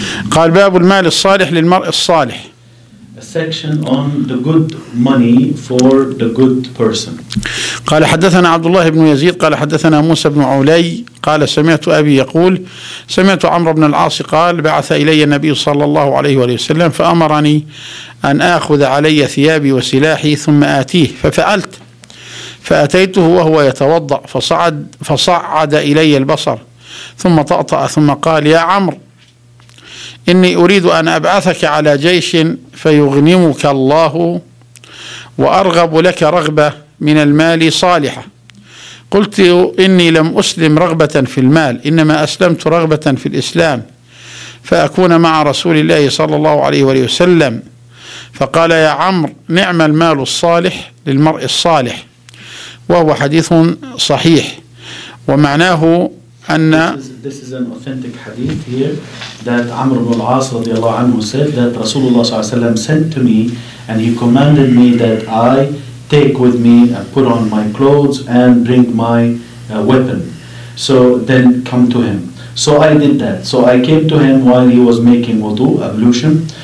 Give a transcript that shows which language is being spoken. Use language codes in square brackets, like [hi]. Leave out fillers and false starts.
[ar] قال باب المال الصالح للمرء الصالح. [en] A section on the good money for the good person. [ar] قال حدثنا عبد الله بن يزيد قال حدثنا موسى بن علي قال سمعت أبي يقول سمعت عمرو بن العاص قال بعث إلي النبي صلى الله عليه وسلم فأمرني أن آخذ علي ثيابي وسلاحي ثم آتيه ففعلت فأتيته وهو يتوضأ فصعد إلي البصر ثم طأطأ ثم قال يا عمرو إني أريد أن أبعثك على جيش فيغنمك الله وأرغب لك رغبة من المال صالحة. قلت إني لم أسلم رغبة في المال إنما أسلمت رغبة في الإسلام فأكون مع رسول الله صلى الله عليه وسلم. فقال يا عمرو نعم المال الصالح للمرء الصالح، وهو حديث صحيح ومعناه أن [en] this is an authentic hadith here that Amr ibn al-As [ar] رضي الله عنه [en] said that Rasulullah [ar] صلى الله عليه وسلم [en] sent to me and he commanded me that I take with me and put on my clothes and bring my weapon. So then come to him. So I did that. So I came to him while he was making wudu, ablution.